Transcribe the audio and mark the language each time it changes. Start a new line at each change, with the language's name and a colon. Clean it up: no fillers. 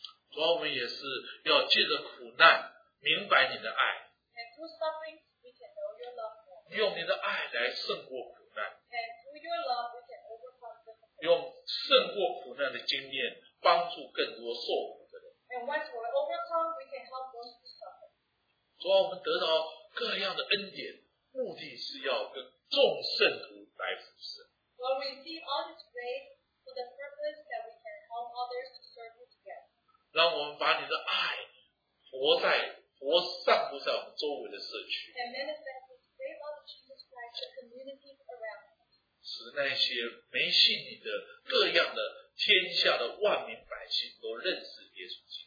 Chinese: 主要我们也是要借着苦难。明白你的爱
English: and through suffering, we can know your love more.
Chinese: 用你的爱来胜过苦难
English: and through your love, we can overcome
Chinese: 用胜过苦难的经验帮助更多受苦的人
English: and once we overcome, we can help those who suffer.
Chinese: 主要我们得到各样的恩典目的是要跟众圣徒来服侍
English: we receive all this grace for the purpose that we can help others to serve you together.
Chinese: 让我们把你的爱活散布在我们周围的社区，使那些没信你的各样的天下的万民百姓都认识耶稣基